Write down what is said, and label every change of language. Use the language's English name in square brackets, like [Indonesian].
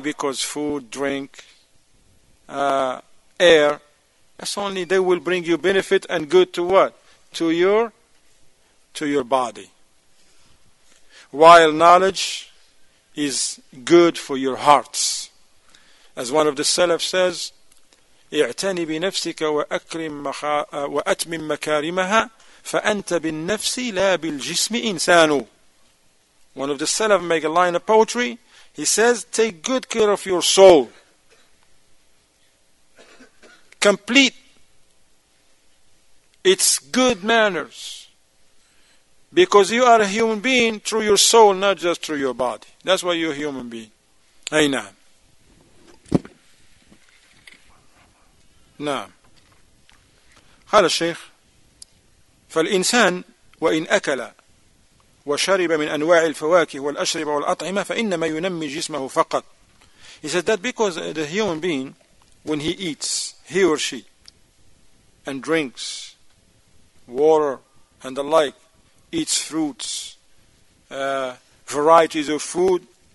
[English] Because food, drink, air, that's only they will bring you benefit and good to what? To your body. While knowledge is good for your hearts. As one of the Salaf says, [Arabic] اعتني بنفسك وأكرم وأتمم مكارمها فأنت بالنفس لا بالجسم إنسان. [English] One of the Salaf make a line of poetry. He says, take good care of your soul. Complete its good manners. Because you are a human being through your soul, not just through your body. That's why you're a human being. [Arabic] أي نعم. نعم. قال الشيخ فالإنسان وإن أكل وشرب من أنواع الفواكه والأشربة والأطعمة فإنما ينمي جسمه فقط. [English] He said that because the human being when he eats, he or she, and drinks water and the like, eats fruits, varieties of food,